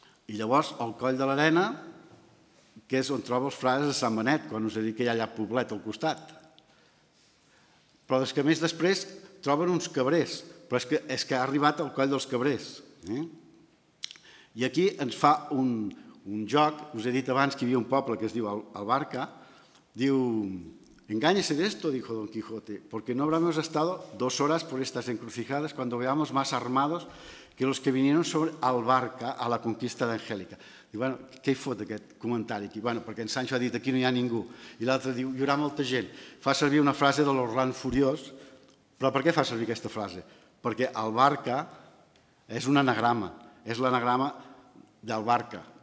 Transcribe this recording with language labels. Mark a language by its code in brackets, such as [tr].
[ca] I llavors el Coll de l'Arena, que és on trobo els frares de Sant Benet, quan us he dit que hi ha allà Poblet al costat. Però és que més després troben uns cabrers, però és que ha arribat el Coll dels Cabrers. I aquí ens fa un joc, us he dit abans que hi havia un poble que es diu Albarca, diu, [es] engáñese de esto, dijo Don Quijote, porque no habremos estado dos horas por estas encrucijadas cuando veamos más armados que los que vinieron sobre Albarca a la conquista d'Angélica. [ca] Diu, bueno, què hi fot aquest comentari aquí? Bueno, perquè en Sancho ha dit, aquí no hi ha ningú. I l'altre diu, hi haurà molta gent. Fa servir una frase de l'Orlan Furiós, però per què fa servir aquesta frase? Perquè Albarca és un anagrama, és l'anagrama d'Albarca.